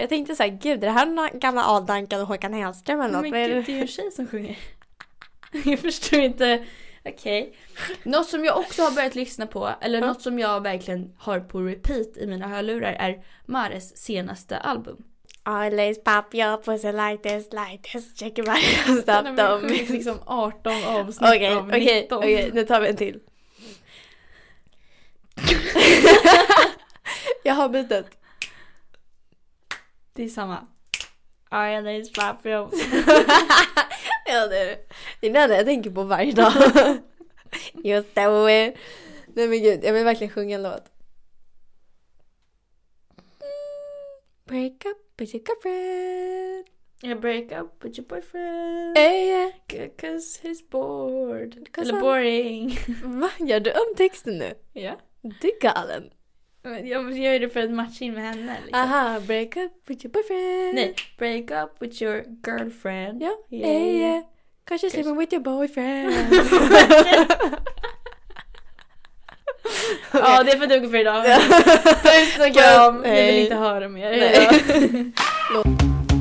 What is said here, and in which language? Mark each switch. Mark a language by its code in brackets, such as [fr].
[sv] Jag tänkte såhär, gud, är det här någon gammal Aldankan och Håkan Hellström eller något? Men gud, det är ju en tjej som sjunger. Jag förstår inte. Okej. Okay. Något som jag också har börjat lyssna på, eller något som jag verkligen har på repeat i mina hörlurar, är Mares senaste album. [en] Always pop your pussy like this, check it out, stop them. [sv] Det är liksom 18 avsnitt okay, av 19. Okej, nu tar vi en till. Jag har bytet. Det är samma. [en] Always pop your [sv] pussy. Ja, det är det jag tänker på varje dag. [en] Just that way. [sv] Nej men gud, jag vill verkligen sjunga en låt. [en] Break up with your girlfriend. Yeah, break up with your boyfriend. Yeah. Cause he's bored. [sv] Eller [en] boring. [sv] Va? Gör du om texten nu? Ja. Du är galen. Jag gör det för att matcha in med henne. Liksom. [en] Aha, break up with your boyfriend. Nej, break up with your girlfriend. Ja. Yeah. Yeah. Cause you're sleeping with your boyfriend. [sv] Ja, okay. Det får duga för idag. Puss och kram. Vi vill inte höra mer.